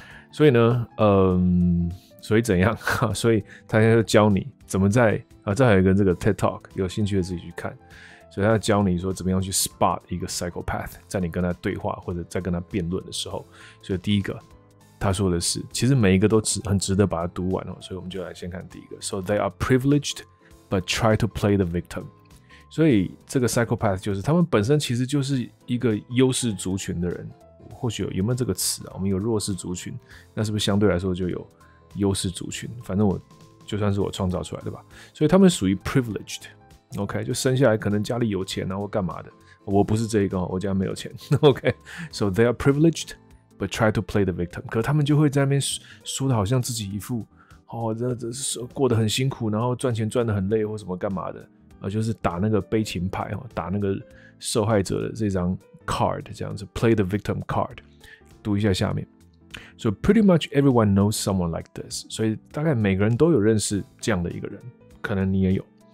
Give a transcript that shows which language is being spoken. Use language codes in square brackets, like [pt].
[zh] 所以呢，所以怎样？所以他现在就教你怎么在这还有一个这个 TED Talk， 有兴趣的自己去看。所以他要教你说怎么样去 spot 一个 psychopath， 在你跟他对话或者在跟他辩论的时候。所以第一个他说的是，其实每一个都很值得把它读完，所以我们就来先看第一个。 [en] So they are privileged but try to play the victim。 [zh] 所以这个 psychopath 就是他们本身其实就是一个优势族群的人。或许有没有这个词啊？我们有弱势族群，那是不是相对来说就有优势族群？反正我就算是我创造出来的吧。所以他们属于 privileged，OK， 就生下来可能家里有钱啊或干嘛的。我不是这一个，我家没有钱。 [en] OK， so they are privileged but try to play the victim。 [zh] 可他们就会在那边 说的好像自己一副这过得很辛苦，然后赚钱赚得很累或什么干嘛的，就是打那个悲情牌，打那个受害者的这张 card， 这样子 [en] play the victim card。 [zh] 读一下下面， [en] so pretty much everyone knows someone like this。 [zh] 所以大概每个人都有认识这样的一个人，可能你也有。